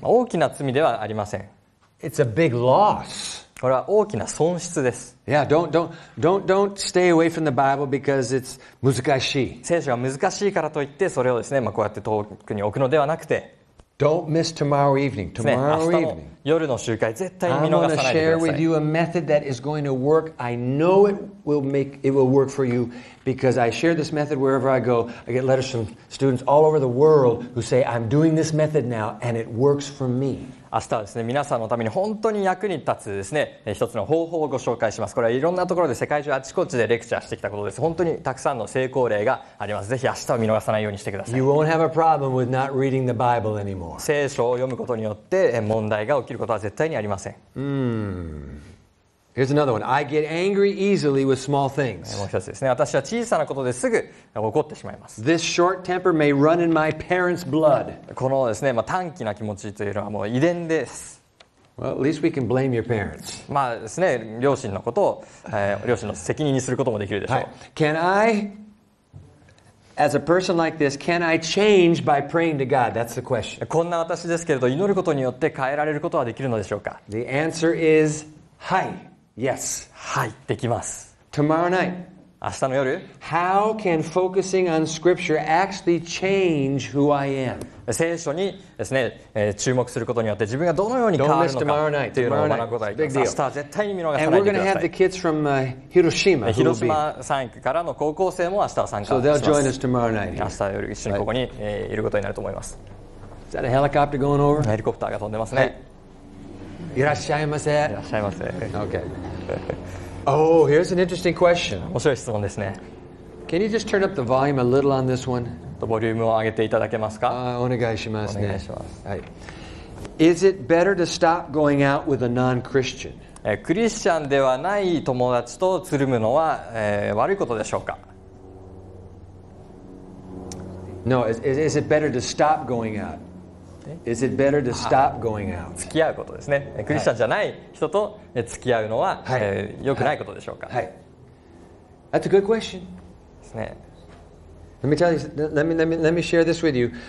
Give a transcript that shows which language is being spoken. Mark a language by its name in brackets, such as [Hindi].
[Japanese] 大きな罪ではありません。 [English] It's a big loss. [Japanese] これは大きな損失です。 [English] Yeah, don't stay away from the Bible because it's [Japanese] 難しい。聖書が難しいからといって、それをですね、まあ、こうやって遠くに置くのではなくて、 [English] Don't miss tomorrow evening. Tomorrow evening. [Japanese] 明日の夜の集会、絶対見逃さないでください。 [English] I'm going to share with you a method that is going to work. I know it will work for you because I share this method wherever I go. I get letters from students all over the world who say, I'm doing this method now and it works for me. [Japanese] 明日はですね、皆さんのために本当に役に立つですね、一つの方法をご紹介します。これはいろんなところで世界中あちこちでレクチャーしてきたことです。本当にたくさんの成功例があります。ぜひ明日は見逃さないようにしてください。 [English] You won't have a problem with not reading the Bible anymore. [Japanese] 聖書を読むことによって問題が起きることは絶対にありません。 [English] Here's another one. I get angry easily with small things. [Japanese] もう一つですね。私は小さなことですぐ怒ってしまいます。 [English] This short temper may run in my parents' blood. [Japanese] このですね、まあ、短気な気持ちというのはもう遺伝です。 [English] Well, at least we can blame your parents. [Japanese] まあですね、両親のことを、両親の責任にすることもできるでしょう。はい、 [English] can I, as a person like this, can I change by praying to God? That's the question. [Japanese] こんな私ですけれど、祈ることによって変えられることはできるのでしょうか。 [English] The answer is, [Japanese] はい。 [English] Yes. [Japanese] はい、できます。 [English] Tomorrow night. [Japanese] 明日の夜。 [English] How can focusing on scripture actually change who I am? [Japanese] 聖書にですね、注目することによって自分がどのように変わるのかというのを学ぶことができます。明日は絶対に見逃さないでください。 [English] And we're going to have the kids from Hiroshima. [Japanese] 広島産育からの高校生も明日は参加します。 [English] So they'll join us tomorrow night. [Japanese] 明日は夜一緒にここにいることになると思います。 [English] Is that a helicopter going over? [Japanese] ヘリコプターが飛んでますね。はいいらっしゃいませ。いらっしゃいませ。 [English] Okay. Oh, here's an interesting question. [Japanese] 面白い質問ですね。 [English] Can you just turn up the volume a little on this one? [Japanese] ボリュームを上げていただけますか？お願いしますね。お願いします。はい。 [English] Is it better to stop going out with a non-Christian? [Japanese] クリスチャンではない友達とつるむのは、悪いことでしょうか？ [English] No, is it better to stop going out? Is it better to stop going out? [Japanese] 付き合うことですね。クリスチャンじゃない人と付き合うのは、はい、良くないことでしょうか。はい。 [English] That's a good question. [Japanese] ですね。 [English] Let me tell you, let me share this with you.